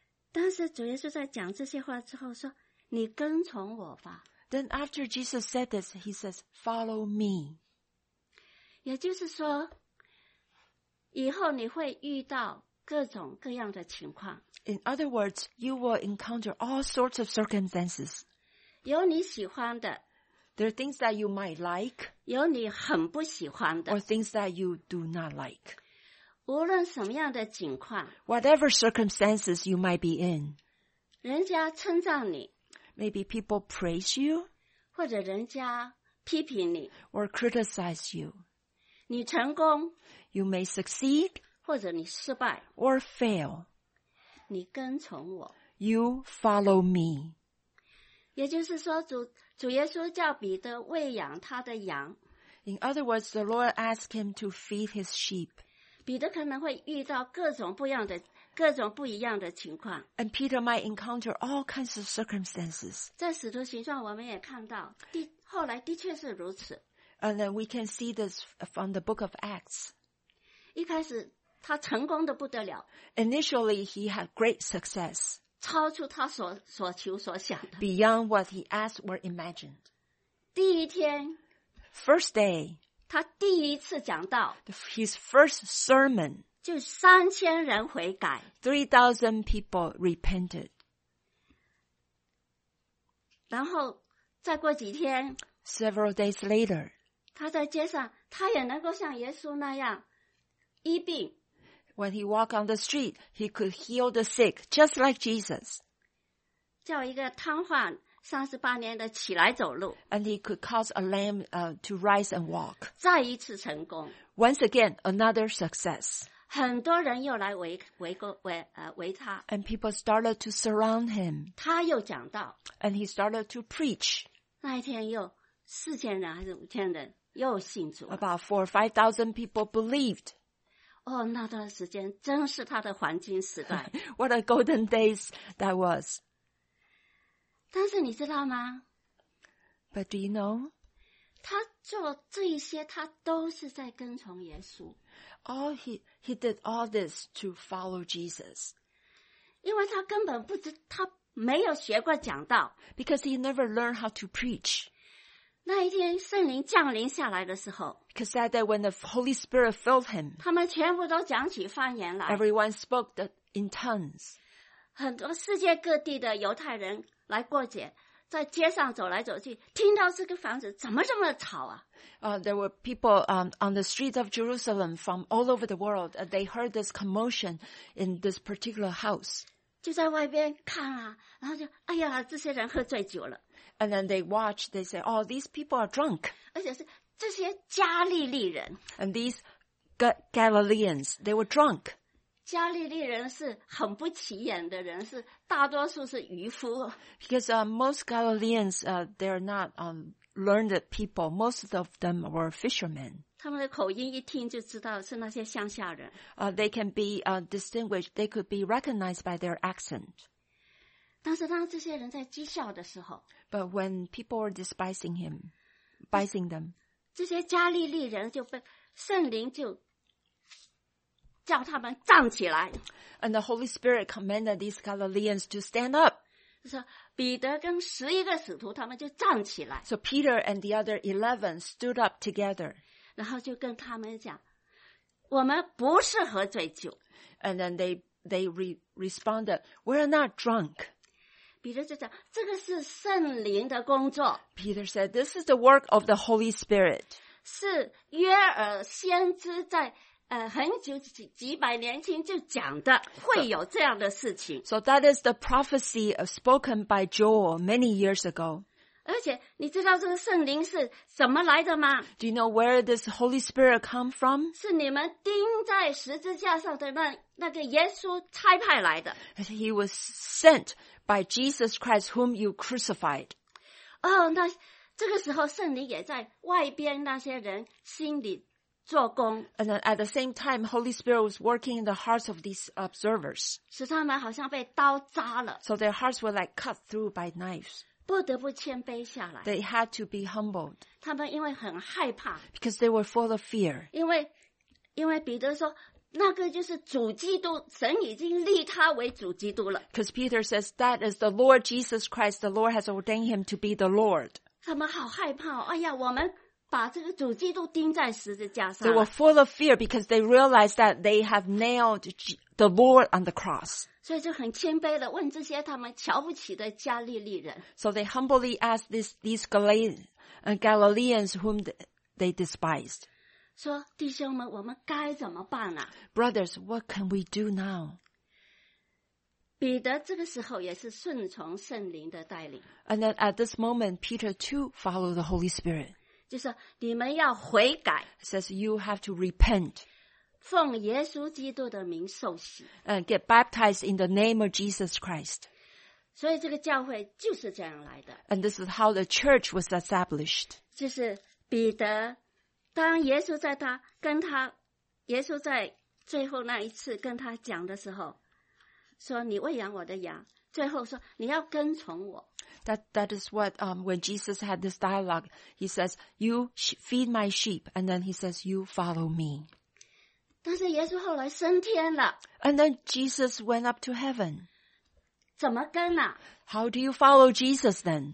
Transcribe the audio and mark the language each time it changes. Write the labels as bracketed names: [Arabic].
[Chinese] 但是主耶稣在讲这些话之后说，你跟从我吧。 [English] Then after Jesus said this, he says, follow me. [Chinese] 也就是说，以后你会遇到各种各样的情况。 [English] In other words, you will encounter all sorts of circumstances. [Chinese] 有你喜欢的， [English] There are things that you might like, [Chinese] 有你很不喜欢的， [English] or things that you do not like. [Chinese] 无论什么样的境况， [English] whatever circumstances you might be in, [Chinese] 人家称赞你， [English] maybe people praise you, [Chinese] 或者人家批评你， [English] or criticize you. [Chinese] 你成功， [English] you may succeed, [Chinese] 或者你失败， [English] or fail. [Chinese] 你跟从我， [English] you follow me. [Chinese] 也就是说 主耶稣叫彼得喂养他的羊。 [English] In other words, the Lord asked him to feed his sheep. [Chinese] 彼得可能会遇到各种不一样的、各种不一样的情况。 [English] And Peter might encounter all kinds of circumstances. [Chinese] 在使徒行传我们也看到，后来的确是如此。 [English] And then we can see this from the book of Acts. [Chinese] 一开始他成功的不得了。 [English] Initially, he had great success. [Chinese] 超出他所求所想的。 [English] Beyond what he asked or imagined. [Chinese] 第一天。 [English] First day. [Chinese] 他第一次讲道。 [English] His first sermon. [Chinese] 就三千人悔改。 [English] 3,000 people repented. [Chinese] 然后再过几天。 [English] Several days later. [Chinese] 他在街上他也能够像耶稣那样医病。 [English] When he walked on the street, he could heal the sick, just like Jesus. [Chinese] 叫一个瘫痪38年的起来走路。 [English] And he could cause a lame, to rise and walk. [Chinese] 再一次成功。 [English] Once again, another success. [Chinese] 很多人又来围他。 [English] And people started to surround him. [Chinese] 他又讲道。 [English] And he started to preach. [Chinese] 那一天又4000人还是5000人又信主了。 [English] About 4,000 or 5,000 people believed. [Chinese] Oh, 那段时间真是他的黄金时代。 [English] What a golden days that was. [Chinese] 但是你知道吗? [English] But do you know? [Chinese] 他做这一些他都是在跟从耶稣。 [English] Oh, he did all this to follow Jesus. [Chinese] 因为他根本不知他没有学过讲道。 [English] Because he never learned how to preach. [Chinese] 那一天圣灵降临下来的时候 [English] Because that day when the Holy Spirit filled him [Chinese] 他们全部都讲起方言来 [English] Everyone spoke in tongues [Chinese] 很多世界各地的犹太人来过节在街上走来走去听到这个房子怎么这么吵啊、 [English] There were people、on the streets of Jerusalem from all over the world、they heard this commotion in this particular house [Chinese] 就在外边看啊然后就哎呀这些人喝醉酒了 [English] And then they watch, they say, oh, these people are drunk. [Chinese] 而且是这些加利利人。 [English] And these Galileans, they were drunk. [Chinese] 加利利人是很不起眼的人,是大多数是渔夫。 [English] Because most Galileans, they're not learned people. Most of them were fishermen. [Chinese] 他们的口音一听就知道是那些乡下人。 [English] They can be distinguished, they could be recognized by their accent. [Chinese] 但是当这些人在讥笑的时候 [English] But when people were despising him, despising them, [Chinese] 这些加利利人就被圣灵就叫他们站起来 [English] And the Holy Spirit commanded these Galileans to stand up. [Chinese] 就说彼得跟11个使徒他们就站起来 [English] So Peter and the other 11 stood up together. [Chinese] 然后就跟他们讲我们不是喝醉酒 [English] And then they responded, we're not drunk. [Chinese] 彼得就讲这个是圣灵的工作 [English] Peter said this is the work of the Holy Spirit [Chinese] 是约尔先知在很久几百年前就讲的会有这样的事情 [English] so that is the prophecy spoken by Joel many years ago [Chinese] 而且你知道这个圣灵是怎么来的吗 [English] do you know where this Holy Spirit come from [Chinese] 是你们钉在十字架上的那个耶稣差派来的 [English] he was sentby Jesus Christ whom you crucified. [Chinese] 哦、oh, 那这个时候圣灵也在外边那些人心里做工。 [English] And at the same time, Holy Spirit was working in the hearts of these observers. [Chinese] 使他们好像被刀扎了。 [English] So their hearts were like cut through by knives. [Chinese] 不得不谦卑下来。 [English] They had to be humbled. [Chinese] 他们因为很害怕。 [English] Because they were full of fear. [Chinese] 因为彼得说那个就是主基督神已经立他为主基督了 [English] Because Peter says that is the Lord Jesus Christ the Lord has ordained him to be the Lord [Chinese] 他们好害怕、哦、哎呀我们把这个主基督钉在十字架上 [English] They were full of fear because they realized that they have nailed the Lord on the cross [Chinese] 所以就很谦卑地问这些他们瞧不起的加利利人 [English] So they humbly asked these Galileans whom they despised [Chinese] 说弟兄们我们该怎么办啊 [English] Brothers, what can we do now? [Chinese] 彼得这个时候也是顺从圣灵的带领。 [English] And then at this moment, Peter too followed the Holy Spirit. [Chinese] 就说你们要悔改。 [English] Says you have to repent. [Chinese] 奉耶稣基督的名受洗。 [English] And get baptized in the name of Jesus Christ. [Chinese] 所以这个教会就是这样来的。 [English] And this is how the church was established. [Chinese] 就是彼得当耶稣在他跟他耶稣在最后那一次跟他讲的时候说你喂养我的羊最后说你要跟从我 [English] That is what when Jesus had this dialogue he says you feed my sheep and then he says you follow me [Chinese] 但是耶稣后来升天了 [English] and then Jesus went up to heaven [Chinese] 怎么跟啊 [English] How do you follow Jesus then